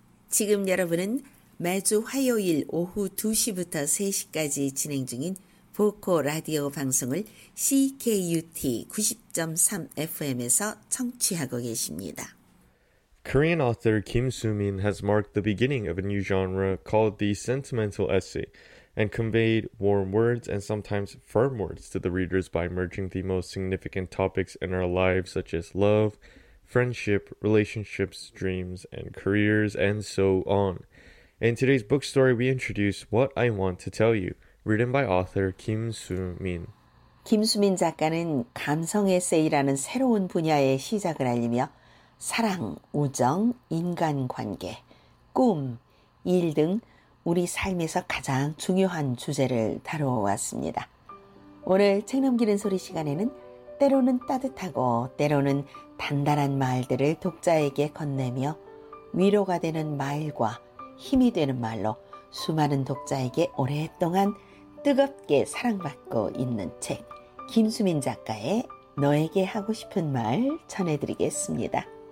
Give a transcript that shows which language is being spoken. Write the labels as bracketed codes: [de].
[ko] 지금 여러분은 매주 화요일 오후 2시부터 3시까지 진행 중인 보코 라디오 방송을 CKUT 90.3 FM에서 청취하고 계십니다. [en] Korean author Kim Soo-min has marked the beginning of a new genre called the sentimental essay, and conveyed warm words and sometimes firm words to the readers by merging the most significant topics in our lives, such as love, friendship, relationships, dreams, and careers, and so on. In today's book story, we introduce What I Want to Tell You, written by author Kim Soo-min. [ko] Kim Soo-min 작가는 감성 에세이라는 새로운 분야의 시작을 알리며 사랑, 우정, 인간관계, 꿈, 일 등 우리 삶에서 가장 중요한 주제를 다루어 왔습니다. 오늘 책 넘기는 소리 시간에는 때로는 따뜻하고 때로는 단단한 말들을 독자에게 건네며 위로가 되는 말과 힘이 되는 말로 수많은 독자에게 오랫동안 뜨겁게 사랑받고 있는 책 김수민 작가의 너에게 하고 싶은 말 전해드리겠습니다.